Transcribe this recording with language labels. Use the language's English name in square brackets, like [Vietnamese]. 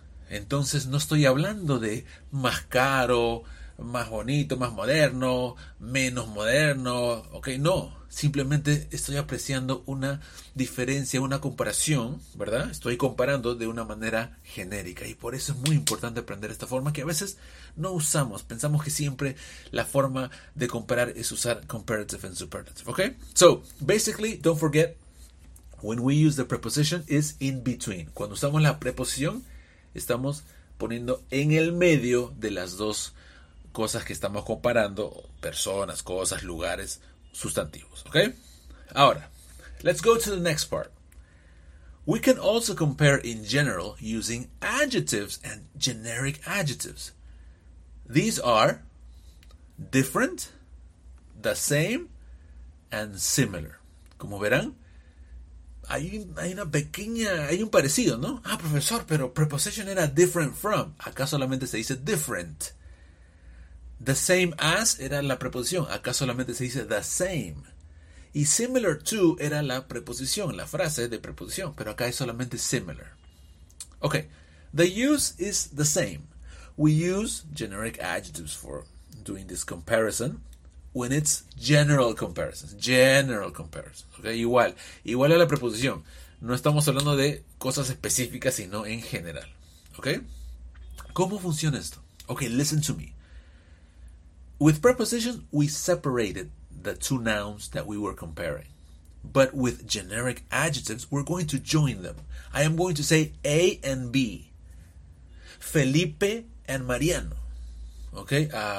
[Spanish] Entonces no estoy hablando de más caro, más bonito, más moderno, menos moderno, ¿ok? No, simplemente estoy apreciando una diferencia, una comparación, ¿verdad? Estoy comparando de una manera genérica y por eso es muy importante aprender esta forma que a veces no usamos. Pensamos que siempre la forma de comparar es usar comparative and superlative, ¿ok? [English] So, basically, don't forget, when we use the preposition, it's in between. [Spanish] Cuando usamos la preposición, estamos poniendo en el medio de las dos cosas que estamos comparando, personas, cosas, lugares, sustantivos, ¿ok? [English] Ahora, let's go to the next part. We can also compare in general using adjectives and generic adjectives. These are different, the same, and similar. [Spanish] Como verán, hay un parecido, ¿no? Ah, profesor, pero preposition era different from. Acá solamente se dice different. The same as era la preposición. Acá solamente se dice the same. Y similar to era la preposición, la frase de preposición. Pero acá es solamente similar. Ok. [English] The use is the same. We use generic adjectives for doing this comparison when it's general comparisons. General comparisons. [Spanish] Ok. Igual. Igual a la preposición. No estamos hablando de cosas específicas, sino en general. Ok. ¿Cómo funciona esto? Ok. [English] Listen to me. With prepositions, we separated the two nouns that we were comparing. But with generic adjectives, we're going to join them. I am going to say A and B. Felipe and Mariano. Okay?